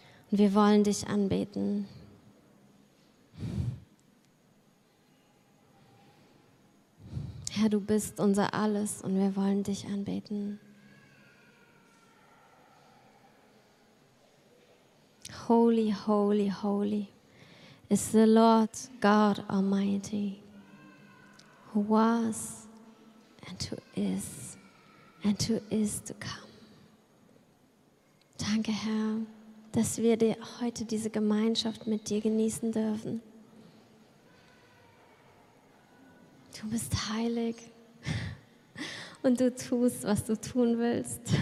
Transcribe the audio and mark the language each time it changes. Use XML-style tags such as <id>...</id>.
<de>Und wir wollen dich anbeten. Herr, du bist unser Alles und wir wollen dich anbeten.</de> <en>Holy, holy, holy is the Lord God Almighty, who was and who is to come.</en> <de>Danke, Herr, dass wir dir heute diese Gemeinschaft mit dir genießen dürfen. Du bist heilig und du tust, was du tun willst.</de>